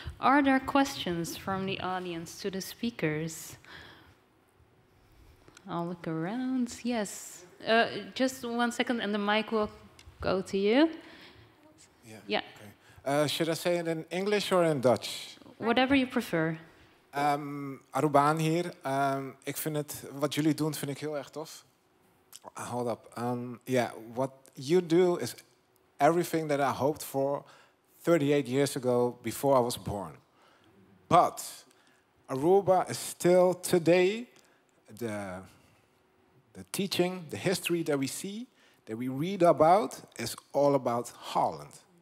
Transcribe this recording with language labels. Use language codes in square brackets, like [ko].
[en] Are there questions from the audience to the speakers? I'll look around. Yes. Just 1 second, and the mic will go to you. Yeah. Okay. Should I say it in English or in Dutch? Whatever you prefer. [nl] Arubaan hier. Ik vind het, wat jullie doen, vind ik heel erg tof. [en] Hold up. Yeah, what you do is everything that I hoped for 38 years ago before I was born. But Aruba is still today the teaching, the history that we see, that we read about, is all about Holland.